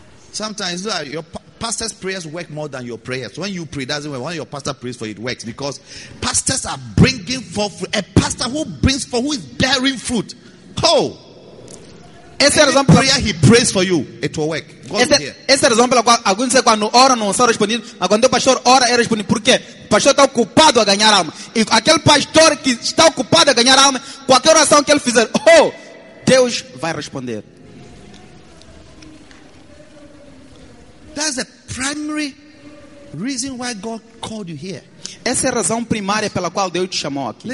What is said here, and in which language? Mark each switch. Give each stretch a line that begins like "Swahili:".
English: Sometimes your pastor's prayers work more than your prayers. When you pray, doesn't work. When your pastor prays for it, works. Because pastors are bringing forth. A pastor who brings forth, who is bearing fruit. Oh!
Portuguese: Esse
English: any
Portuguese: exemplo,
English: prayer he prays for you, it will work.
Portuguese: Essa é a razão pela qual alguns dizem quando ora não são respondidos, mas quando o pastor ora é respondido. Por quê? O pastor está ocupado a ganhar alma. E aquele pastor que está ocupado a ganhar alma, qualquer oração que ele fizer, oh! Deus vai responder.
English: That's the primary reason why God called you here.
Portuguese: Essa é a razão primária pela qual Deus te chamou aqui.